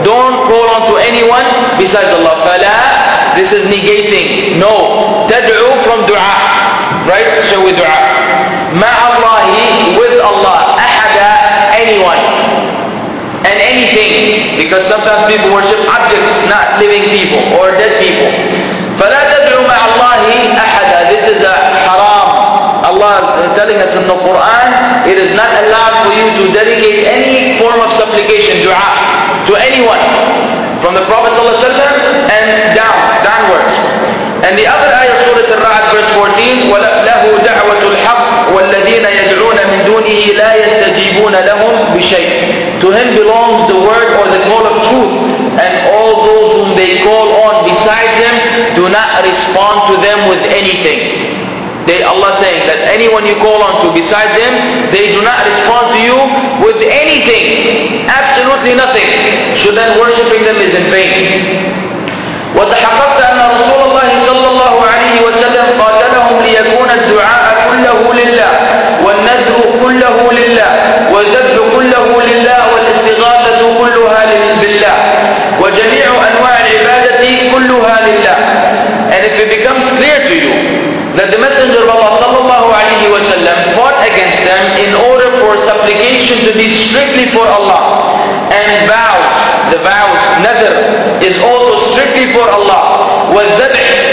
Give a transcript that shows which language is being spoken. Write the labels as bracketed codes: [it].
[en] Don't call on to anyone besides Allah. فَلَا, this is negating, no, تَدْعُوا from dua, right? So with dua. مَعَ اللَّهِ, with Allah, أَحَدًا, anyone, and anything, because sometimes people worship objects, not living people, or dead people. [ar] فَلَا تَدْعُوا مَعَ اللَّهِ أَحَدًا, [en] this is a haram. Allah is telling us in the Quran, it is not allowed for you to dedicate any form of supplication, dua, to anyone, from the Prophet sallallahu alaihi wasallam and downwards. And the other ayah, Surah Al-Ra'd, verse 14, [ar] وَلَهُ دَعْوَةُ الْحَقِّ وَالَّذِينَ يَدْعُونَ مِن دُونِهِ لَا يَسْتَجِيبُونَ لَهُمْ بِشَيْءٍ. [en] To him belongs the word or the call of truth, and all those whom they call on besides them do not respond to them with anything. They, Allah saying that anyone you call on to besides them, they do not respond to you with anything, absolutely nothing. So then worshipping them is in vain. [ar] وتحققت أن رسول الله صلى الله عليه وسلم قال لهم ليكون الدعاء كله لله والنذر كله لله والذبح كله لله والاستغاثة كلها لله وجميع أنواع العبادة كلها لله. [en] And if it becomes clear to you that the Messenger of Allah صلى الله عليه وسلم fought against them in order for supplication to be strictly for Allah, and vows, the vows, nadr, is also strictly for Allah, وَالذَبْح,